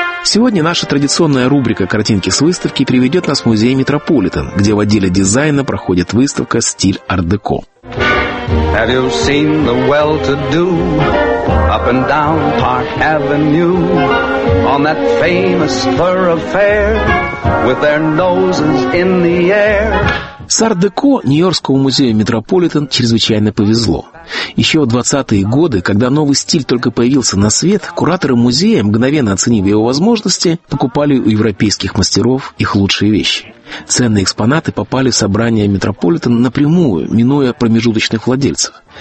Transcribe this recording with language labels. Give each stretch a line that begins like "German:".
Russian: Сегодня наша традиционная рубрика «Картинки с выставки» приведет нас в музей «Метрополитен», где в отделе дизайна проходит выставка «Стиль арт-деко».
English: Have you seen the well-to-do up and down Park Avenue on that famous thoroughfare with their noses in the air?
Russian: С арт-деко Нью-Йоркскому музею «Метрополитен» чрезвычайно повезло. Еще в 20-е годы, когда новый стиль только появился на свет, кураторы музея, мгновенно оценив его возможности, покупали у европейских мастеров их лучшие вещи. Ценные экспонаты попали в собрание «Метрополитен» напрямую, минуя промежуточных владельцев.